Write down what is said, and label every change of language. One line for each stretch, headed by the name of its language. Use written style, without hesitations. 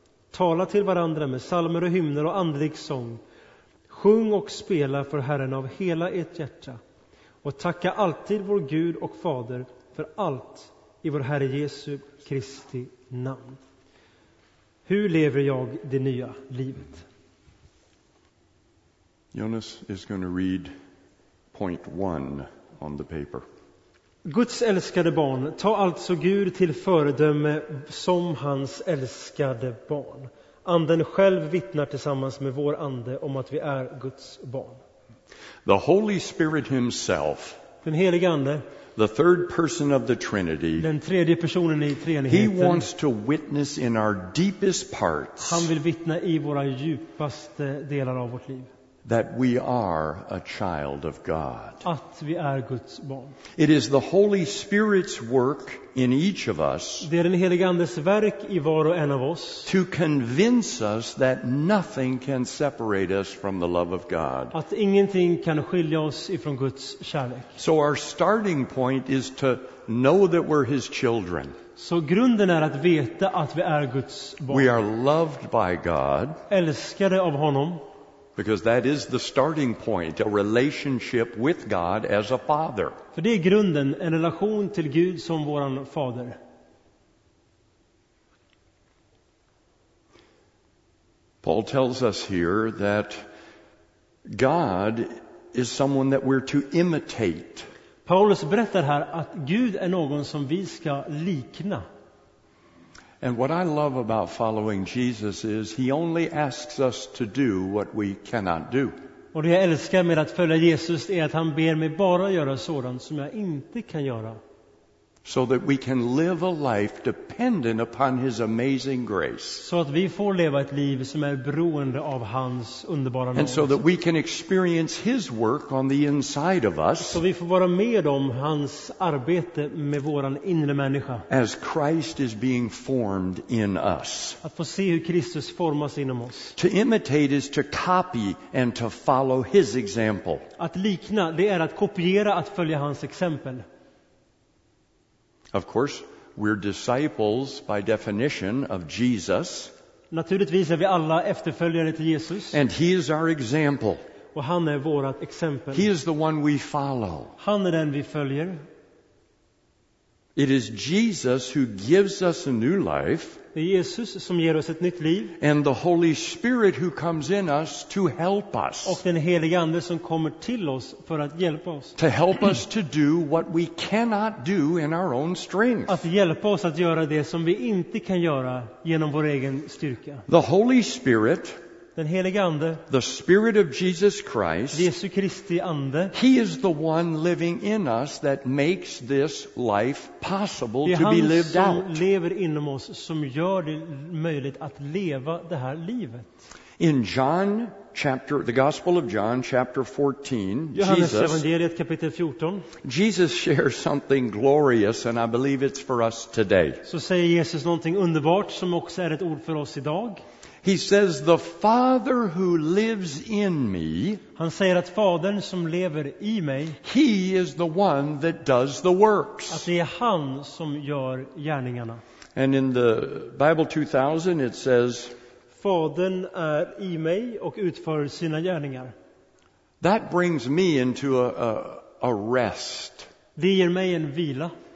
Swedish: Tala till varandra med psalmer och hymner och andlig sång. Sjung och spela för Herren av hela ert hjärta. Och tacka alltid vår Gud och Fader för allt i vår Herre Jesu Kristi namn. Hur lever jag det nya livet?
English: Jonas is going to read point one on the paper.
Swedish: Guds älskade barn, ta alltså Gud till föredöme som hans älskade barn. Anden själv vittnar tillsammans med vår ande om att vi är Guds barn.
English: The Holy Spirit himself,
Swedish: den helige ande,
English: the third person of the Trinity,
Swedish: den tredje personen i treenigheten,
English: he wants to witness in our deepest parts.
Swedish: Han vill vittna i våra djupaste delar av vårt liv.
English: That we are a child of God.
Swedish: Att vi är Guds barn.
English: It is the Holy Spirit's work in each of us.
Swedish: Det är den helige andes verk i var och en av oss.
English: To convince us that nothing can separate us from the love of God.
Swedish: Att ingenting kan skilja oss ifrån Guds kärlek.
English: So our starting point is to know that we're his children.
Swedish: Så grunden är att veta att vi är Guds barn.
English: We are loved by God.
Swedish: Älskade av honom.
English: Because that is the starting point, a relationship with God as a father.
Swedish: För det är grunden, en relation till Gud som våran fader.
English: Paul tells us here that God is someone that we're to imitate.
Swedish: Paulus berättar här att Gud är någon som vi ska likna.
English: And what I love about following Jesus is he only asks us to do what we cannot do.
Swedish: Och det jag älskar med att följa Jesus är att han ber mig bara göra sådant som jag inte kan göra.
English: So that we can live a life dependent upon his amazing grace.
Swedish: Så att vi får leva ett liv som är beroende av hans underbara nåd.
English: And so that we can experience his work on the inside of us.
Swedish: Så vi får vara med om hans arbete med våran inre människa.
English: As Christ is being formed in us.
Swedish: Att få se hur Kristus formas inom oss.
English: To imitate is to copy and to follow his example.
Swedish: Att likna, det är att kopiera, att följa hans exempel.
English: Of course, we're disciples by definition of Jesus.
Swedish: Naturligtvis är vi alla efterföljare till Jesus.
English: And he is our example.
Swedish: Och han är vårt exempel.
English: He is the one we follow.
Swedish: Han är den vi följer.
English: It is Jesus who gives us a new life.
Swedish: Det är Jesus som ger oss ett nytt liv.
English: And the Holy Spirit who comes in us to help us.
Swedish: Och den helige ande som kommer till oss för att hjälpa oss.
English: To help us to do what we cannot do in our own strength.
Swedish: Att hjälpa oss att göra det som vi inte kan göra genom vår egen styrka.
English: The Holy Spirit.
Swedish: Den helige ande.
English: The Spirit of Jesus Christ.
Swedish: Jesu Kristi ande.
English: He is the one living in us that makes this life possible to be lived out.
Swedish: Han lever inom oss som gör det möjligt att leva det här livet.
English: In John chapter, the Gospel of John chapter 14,
Swedish: Johannesevangeliet kapitel 14.
English: Jesus shares something glorious and I believe it's for us today.
Swedish: Så säger Jesus någonting underbart som också är ett ord för oss idag.
English: He says, "The Father who lives in me."
Swedish: Han säger att fadern som lever i mig.
English: He is the one that does the works.
Swedish: Att det är han som gör gärningarna.
English: And in the Bible 2000, it says,
Swedish: "Fadern är i mig och utför sina gärningar."
English: That brings me into a rest.
Swedish: Det ger mig en vila.